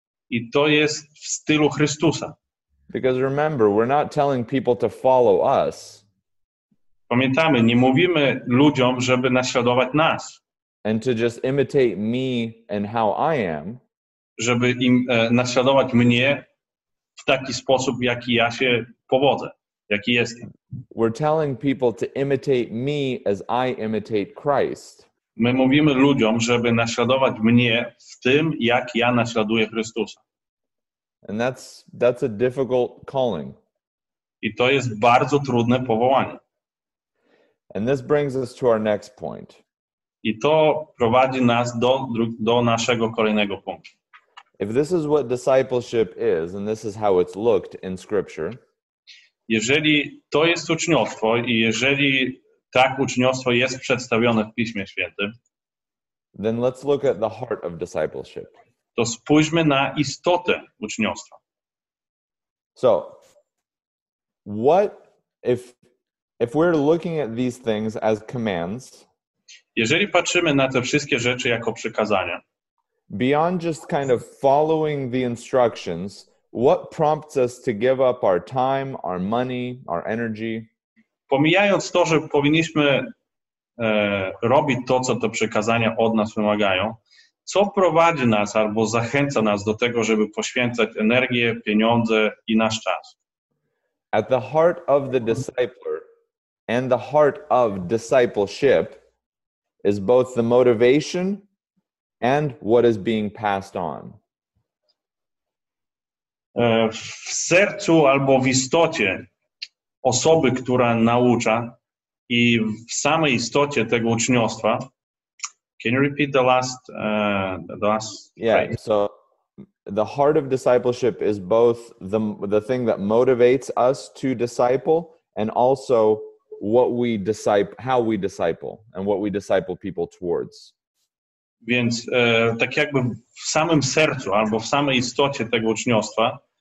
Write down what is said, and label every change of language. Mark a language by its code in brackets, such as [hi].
[pl] I to jest w stylu Chrystusa. [en] Because remember, we're not telling people to follow us. [pl] Pamiętamy, nie mówimy ludziom, żeby naśladować nas. [en] And to just imitate me and how I am. [pl] Żeby im naśladować mnie w taki sposób, jaki ja się powodzę. Jaki jest. [en] We're telling people to imitate me as I imitate Christ. [pl] My mówimy ludziom, żeby naśladować mnie w tym, jak ja naśladuję Chrystusa. [en] And that's a difficult calling. [pl] I to jest bardzo trudne powołanie. [en] And this brings us to our next point. [pl] I to prowadzi nas do naszego kolejnego punktu. [en] If this is what discipleship is, and this is how it's looked in Scripture. [pl] Jeżeli to jest uczniostwo i jeżeli tak uczniostwo jest przedstawione w Piśmie Świętym, [en] then let's look at the heart of discipleship. [pl] To spójrzmy na istotę uczniostwa. [en] So, what if we're looking at these things as commands? [pl] Jeżeli patrzymy na te wszystkie rzeczy jako przykazania, [en] beyond just kind of following the instructions, what prompts us to give up our time, our money, our energy? [pl] Pomijając to, że powinniśmy robić to, co te przykazania od nas wymagają, co prowadzi nas albo zachęca nas do tego, żeby poświęcać energię, pieniądze i nasz czas? [en] At the heart of the discipler and the heart of discipleship is both the motivation and what is being passed on. [pl] w sercu albo w istocie osoby, która naucza i w samej istocie tego uczniostwa. [en] Can you repeat the last yeah, phrase? So the heart of discipleship is both the thing that motivates us to disciple and also what we disciple, how we disciple and what we disciple people towards. [pl] Więc tak jakby w samym sercu albo w samej istocie tego uczniostwa.